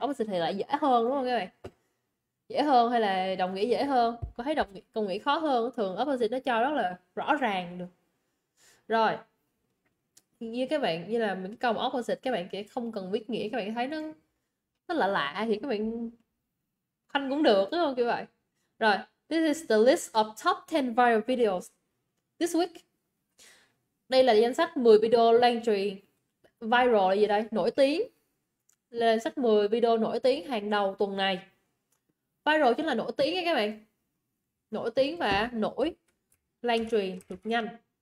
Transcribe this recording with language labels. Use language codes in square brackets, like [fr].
[vi] Opposite thì lại dễ hơn đúng không các bạn? Dễ hơn hay là đồng nghĩa dễ hơn? Có thấy đồng nghĩa, công nghĩa khó hơn, thường opposite nó cho rất là rõ ràng được. Rồi. Như các bạn như là mình câu opposite các bạn sẽ không cần biết nghĩa, các bạn thấy nó lạ lạ thì các bạn khanh cũng được đúng không kiểu vậy. [en] Rồi, this is the list of top 10 viral videos this week. [vi] Đây là danh sách 10 video lan truyền viral là gì đây? Nổi tiếng. Là danh sách 10 video nổi tiếng hàng đầu tuần này. Viral chính là nổi tiếng nha các bạn. Nổi tiếng và nổi lan truyền được nhanh.